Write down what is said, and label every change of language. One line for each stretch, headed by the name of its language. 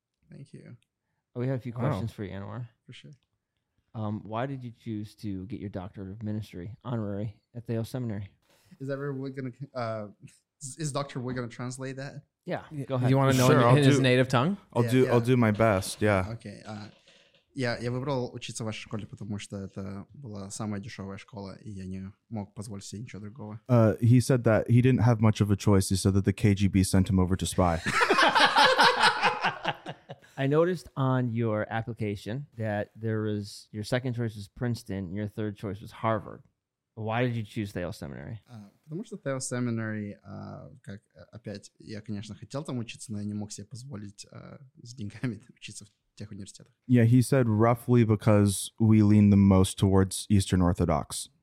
English: Thank you. Oh, we have a few questions for you, Anuar. For sure. Why did you choose to get your doctorate of ministry honorary at Theos Seminary? Is everyone going to? Is Dr. Wood going to translate that? Yeah, go ahead. You want to know in his native tongue? I'll do my best. Yeah. Okay.
Russian: Я выбрал учиться в вашей школе, потому что это была самая дешевая школа, и я не мог позволить себе ничего другого.
English: He said that he didn't have much of a choice. He said that the KGB sent him over to spy. I noticed on your application that there was your second choice was Princeton, your third choice was Harvard. Why did you choose Theos Seminary?
Russian: Потому что Theos Seminary, как опять, я, конечно, хотел там учиться, но я не мог себе позволить с деньгами учиться в тех университетах.
English: Yeah, he said roughly because we lean the most towards Eastern Orthodox.